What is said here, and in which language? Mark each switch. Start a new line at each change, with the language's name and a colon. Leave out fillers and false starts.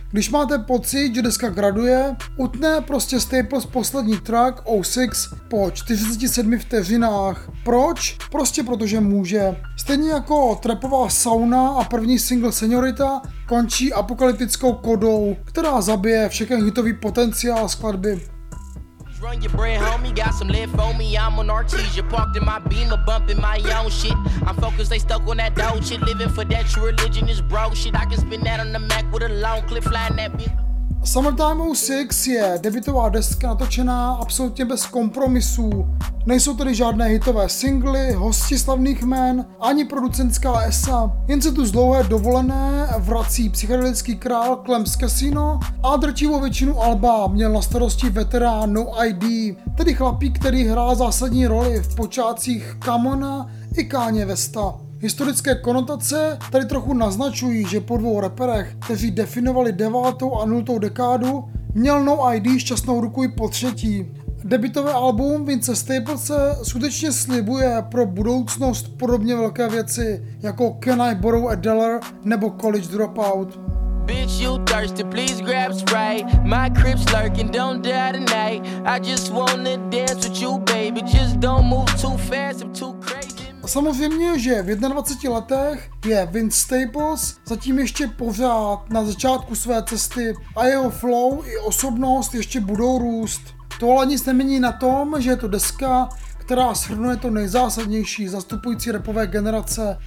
Czech: Když máte pocit, že deska graduje, utne prostě Staples poslední track 06 po 47 vteřinách. Proč? Prostě protože může. Stejně jako trapová sauna a první single Seniorita končí apokalyptickou kodou, která zabije všechen hitový potenciál skladby.
English: Run your bread, homie, got some lead for me. I'm on Artesia, parked in my Beamer, bumping my own shit. I'm focused, they stuck on that dope shit. Living for that true religion is bro shit. I can spin that on the Mac with a long clip flying that bitch.
Czech: Summertime 06 je debutová deska natočená absolutně bez kompromisů. Nejsou tady žádné hitové singly, hosti slavných jmén, ani producentská esa. Jen se tu z dlouhé dovolené vrací psychedelický král Clems Casino a drtivou většinu alba měl na starosti veterán No ID, tedy chlapík, který hrál zásadní roli v počátcích Camona i Kanye Westa. Historické konotace tady trochu naznačují, že po dvou raperech, kteří definovali 9. a 0. dekádu, měl No ID šťastnou ruku i po třetí. Debutové album Vince Staples skutečně slibuje pro budoucnost podobně velké věci jako Can I Borrow a Dollar nebo College Dropout.
English: Bitch, you thirsty, please grab Sprite. My crib's lurking, don't die tonight. I just wanna dance with you, baby. Just don't move too fast, I'm too crazy.
Czech: Samozřejmě, že v 21 letech je Vince Staples zatím ještě pořád na začátku své cesty a jeho flow i osobnost ještě budou růst. Tohle nic nemění na tom, že je to deska, která shrnuje to nejzásadnější zastupující rapové generace.